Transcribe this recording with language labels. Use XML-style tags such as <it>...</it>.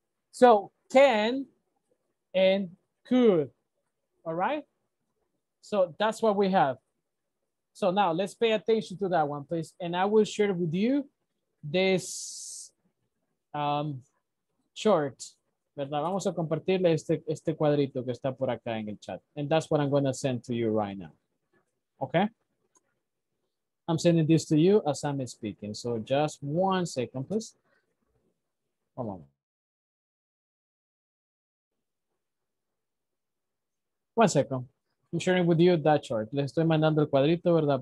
<en>So can and could, all right? So that's what we have. So now let's pay attention to that one, please. And I will share with you this chart.</en> <es>¿Verdad? Vamos a compartirle este cuadrito que está por acá en el chat.</es> <en>And that's what I'm going to send to you right now. Okay? I'm sending this to you as I'm speaking. So just one second, please. Hold on. One second. I'm sharing with you that chart.</en> <es>Les estoy mandando el cuadrito, ¿verdad?</es>